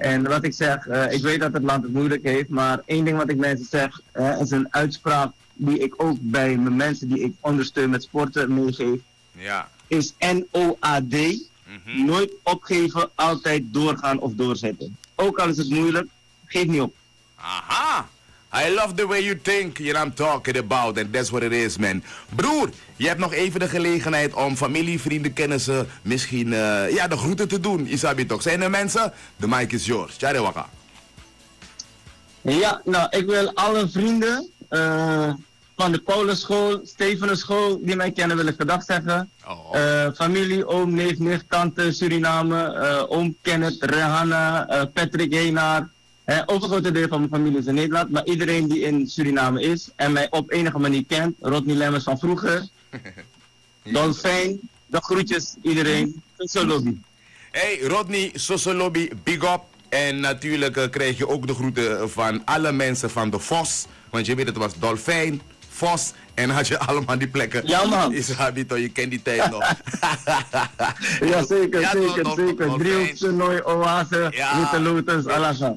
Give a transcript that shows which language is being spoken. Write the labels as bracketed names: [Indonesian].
[Dutch] En wat ik zeg, ik weet dat het land het moeilijk heeft, maar één ding wat ik mensen zeg, is een uitspraak die ik ook bij mijn mensen die ik ondersteun met sporten meegeef. Ja. Is NOAD, mm-hmm. nooit opgeven, altijd doorgaan of doorzetten. Ook al is het moeilijk, geef niet op. [English] Aha, I love the way you think, you know I'm talking about, and that's what it is, man. [Dutch] Broer, je hebt nog even de gelegenheid om familie, vrienden, kennissen, misschien ja, de groeten te doen, Isabi toch. Zijn er mensen? [English] The mic is yours. [Dutch] Tjarewaka. Ja, nou, ik wil alle vrienden van de Paulusschool, Stevenenschool, die mij kennen, wil ik gedag zeggen. Oh. Familie, oom, neef, nicht, tante, Suriname, oom Kenneth, Rehanna, Patrick Heenaar. Overgrote deel van mijn familie is in Nederland, maar iedereen die in Suriname is en mij op enige manier kent, Rodney Lemmers van vroeger, Dolfijn, de groetjes iedereen, Sosolobby. Hey Rodney, Sosolobby, big up. En natuurlijk krijg je ook de groeten van alle mensen van de Vos, want je weet het was Dolfijn. Vos, en had je allemaal die plekken. Ja, man. Isabito, je kent die tijd nog. Ja, zeker, ja, zeker, door, zeker. Driehoekse, Nooi, Oase, Witte ja, Lotus, Alassa.